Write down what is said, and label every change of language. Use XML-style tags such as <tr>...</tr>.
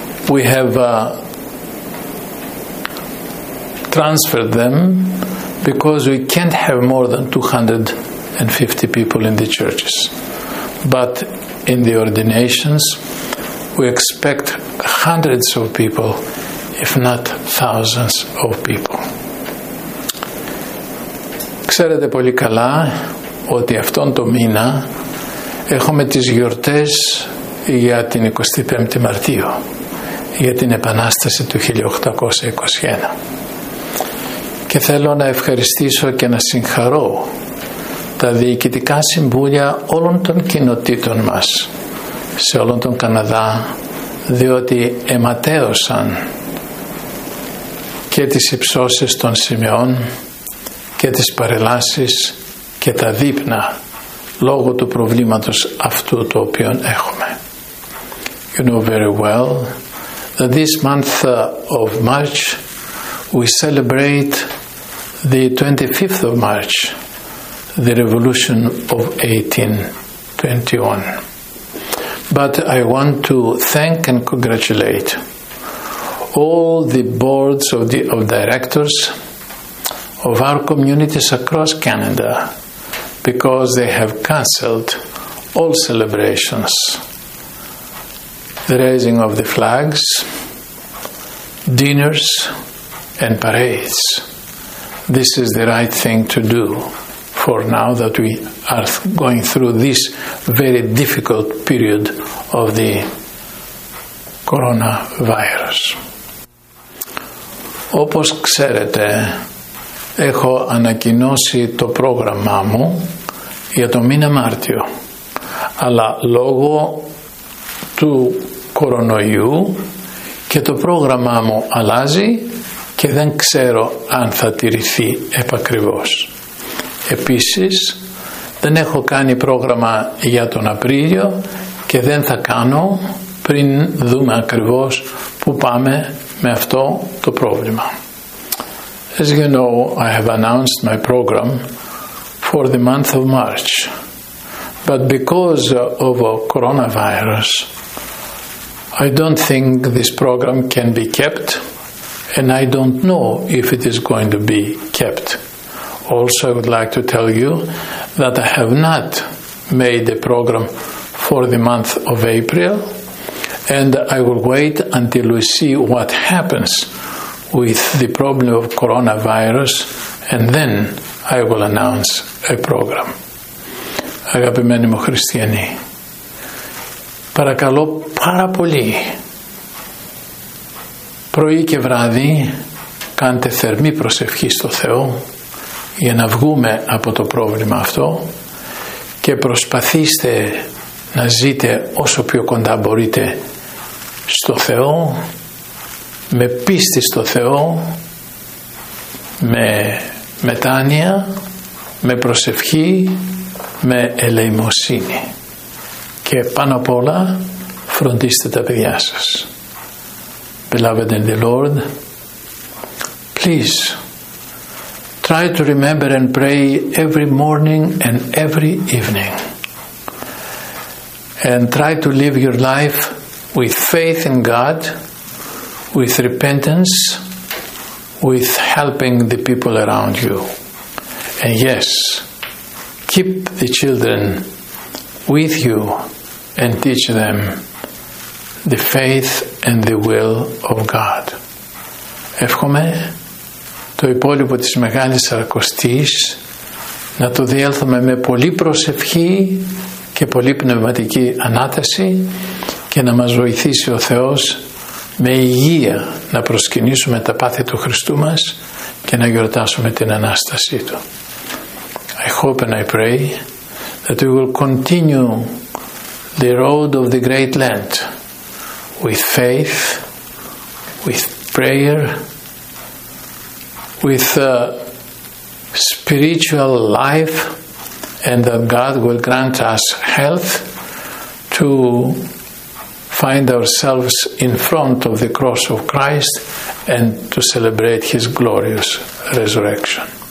<en>We have transferred them because we can't have more than 250 people in the churches. But in the ordinations, we expect hundreds of people, if not thousands of people.</en> <el>Ξέρετε πολύ καλά ότι αυτόν τον μήνα έχουμε τις γιορτές για την 25η Μαρτίου, για την Επανάσταση του 1821. Και θέλω να ευχαριστήσω και να συγχαρώ τα διοικητικά συμβούλια όλων των κοινοτήτων μας σε όλον τον Καναδά, διότι αιματέωσαν και τις υψώσεις των σημειών και τις παρελάσεις και τα δείπνα λόγω του προβλήματος αυτού το οποίο έχουμε.</el> <en>You know very well that this month of March we celebrate the 25th of March, the revolution of 1821. But I want to thank and congratulate all the boards of directors of our communities across Canada, because they have cancelled all celebrations, the raising of the flags, dinners and parades. This is the right thing to do for now that we are going through this very difficult period of the coronavirus.</en> <el>Όπως ξέρετε, έχω ανακοινώσει το πρόγραμμά μου για το μήνα Μάρτιο, αλλά λόγω του κορονοϊού και το πρόγραμμά μου αλλάζει και δεν ξέρω αν θα τηρηθεί επακριβώς. Επίσης, δεν έχω κάνει πρόγραμμα για τον Απρίλιο και δεν θα κάνω πριν δούμε ακριβώς πού πάμε με αυτό το πρόβλημα.</el> <en>As you know, I have announced my program for the month of March, but because of coronavirus, I don't think this program can be kept, and I don't know if it is going to be kept. Also, I would like to tell you that I have not made a program for the month of April, and I will wait until we see what happens with the problem of coronavirus, and then I will announce a program.</en> <el>Αγαπημένοι μου χριστιανοί, παρακαλώ πάρα πολύ, πρωί και βράδυ κάντε θερμή προσευχή στο Θεό για να βγούμε από το πρόβλημα αυτό και προσπαθήστε να ζείτε όσο πιο κοντά μπορείτε στο Θεό, με πίστη στο Θεό, με μετάνοια, με προσευχή, με ελεημοσύνη. Και πάνω απ' όλα φροντίστε τα παιδιά σας.</el> <en>Beloved in the Lord, please try to remember and pray every morning and every evening. And try to live your life with faith in God, with repentance, with helping the people around you. And yes, keep the children with you and teach them the faith and the will of God.</en> <el>Εύχομαι το υπόλοιπο της Μεγάλης Σαρακοστής να το διέλθουμε με πολύ προσευχή και πολύ πνευματική ανάταση και να μας βοηθήσει ο Θεός με υγεία να προσκυνήσουμε τα πάθη του Χριστού μας και να γιορτάσουμε την Ανάστασή Του.</el> <en>I hope and I pray that we will continue the road of the Great Lent with faith, with prayer, with spiritual life, and that God will grant us health to find ourselves in front of the cross of Christ and to celebrate His glorious resurrection.</en>